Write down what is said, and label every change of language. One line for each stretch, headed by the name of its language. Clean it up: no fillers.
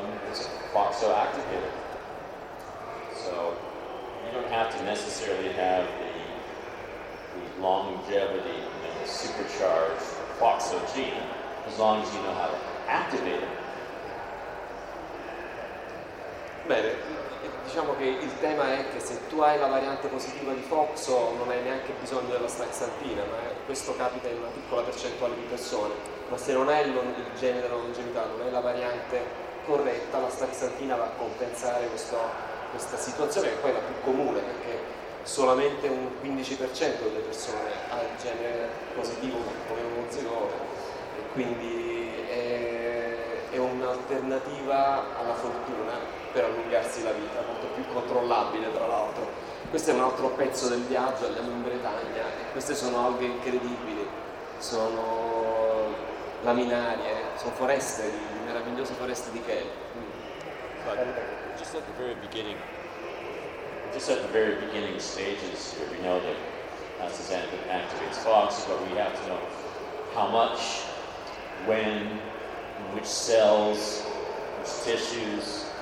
English: It's a FOXO activator. So you don't have to necessarily have the longevity and the supercharged FOXO gene, as long as you know how to activate it.
Italian: Bene. Diciamo che il tema è che se tu hai la variante positiva di FOXO non hai neanche bisogno della staxantina, ma questo capita in una piccola percentuale di persone, ma se non hai il gene della longevità, non hai la variante corretta, la staxantina va a compensare questa situazione, che poi è la più comune, perché solamente un 15% delle persone ha il gene positivo come uno zigoto, e quindi è un'alternativa alla fortuna per allungarsi la vita, molto più controllabile tra l'altro. Questo è un altro pezzo del viaggio, andiamo in Bretagna, e queste sono alghe incredibili, sono laminarie, sono foreste, meravigliose foreste di kelp.
English: Just at the very beginning stages here, we know that astaxanthin activates FOX, but we have to know how much, when, in which cells, which tissues.